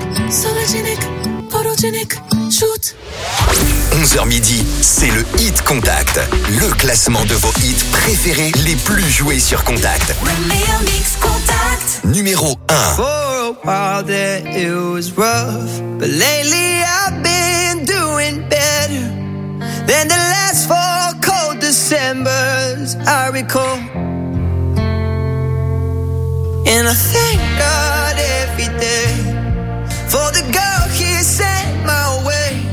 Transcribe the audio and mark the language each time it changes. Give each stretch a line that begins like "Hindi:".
English: Sologenic, photogenic, shoot.
French: 11h midi, c'est le Hit Contact. Le classement de vos hits préférés les plus joués sur Contact. Le meilleur mix Contact. Numéro 1.
English: For a while there it was rough, but lately I've been doing better than the last four cold Decembers I recall. And I thank God every day for the girl he sent my way.